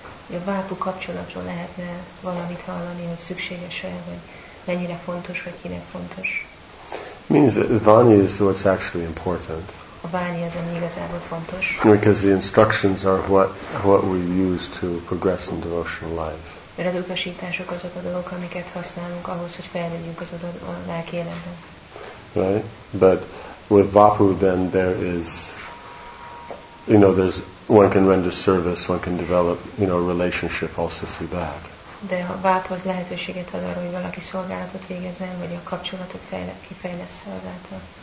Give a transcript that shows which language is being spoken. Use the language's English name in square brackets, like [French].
[Hungarian] A vápu kapcsolatról lehetne valamit hallani, hogy szükséges-e, vagy mennyire fontos, vagy kinek fontos. [English] Means that vani is what's actually important. [Hungarian] A vani az, ami igazából fontos. [English] Because the instructions are what we use to progress in devotional life. [Hungarian] Mert az utasítások azok a dolgok, amiket használunk ahhoz, hogy fejlődjünk az a lelki életben. [English] Right? But with vapu then there is, you know, there's, one can render service, one can develop, you know, a relationship also through that. [Hungarian] De a vápu az lehetőséget ad arra, hogy valaki szolgálatot végezzen, vagy a kapcsolatot kifejlesz szolgálattal.